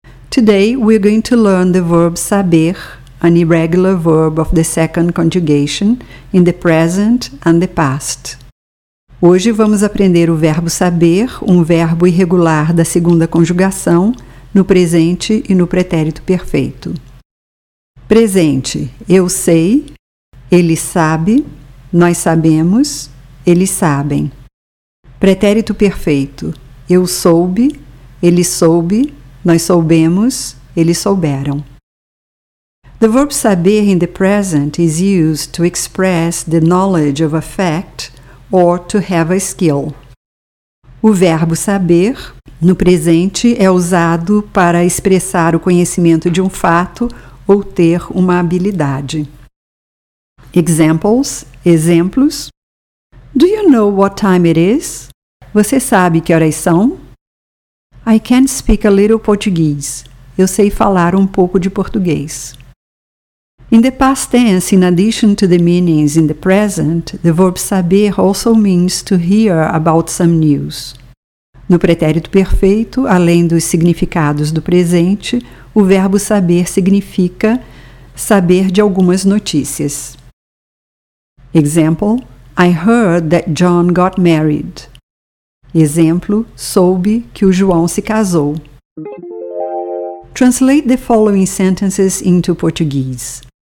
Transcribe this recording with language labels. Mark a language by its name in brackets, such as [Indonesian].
[English] Today we're going to learn the verb saber, an irregular verb of the second conjugation in the present and the past. [Portuguese] Hoje vamos aprender o verbo saber, um verbo irregular da segunda conjugação, no presente e no pretérito perfeito. Presente, eu sei, ele sabe, nós sabemos, eles sabem. Pretérito perfeito, eu soube, ele soube, nós soubemos, eles souberam. [English] The verb saber in the present is used to express the knowledge of a fact or to have a skill. [Portuguese] O verbo saber, no presente, é usado para expressar o conhecimento de um fato ou ter uma habilidade. [English] Examples, exemplos. Do you know what time it is? [Portuguese] Você sabe que horas são? [English] I can speak a little Portuguese. [Portuguese] Eu sei falar um pouco de português. [English] In the past tense, in addition to the meanings in the present, the verb saber also means to hear about some news. [Portuguese] No pretérito perfeito, além dos significados do presente, o verbo saber significa saber de algumas notícias. [English] Example, I heard that John got married. [Portuguese] Exemplo, soube que o João se casou. [English] Translate the following sentences into Portuguese.